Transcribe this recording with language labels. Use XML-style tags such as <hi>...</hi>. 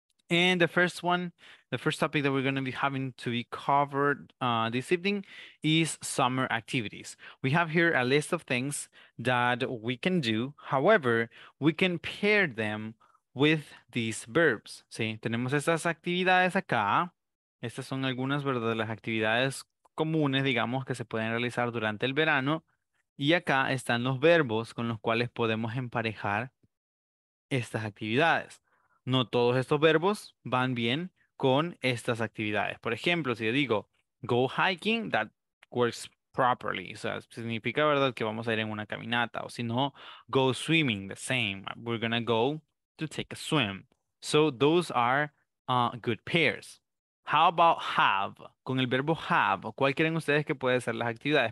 <en>And the first topic that we're going to be having to be covered this evening is summer activities. We have here a list of things that we can do. However, we can pair them with these verbs.</en> <es>Sí, tenemos estas actividades acá. Estas son algunas, ¿verdad?, de las actividades comunes, digamos, que se pueden realizar durante el verano. Y acá están los verbos con los cuales podemos emparejar estas actividades. No todos estos verbos van bien con estas actividades. Por ejemplo, si yo digo</es> <en>go hiking, that works properly.</en> <es>O sea, significa, ¿verdad?, que vamos a ir en una caminata. O si no,</es> <en>go swimming, the same. We're gonna go to take a swim. So those are good pairs. How about have?</en> <es>Con el verbo have, ¿cuál creen ustedes que puede ser las actividades?</es>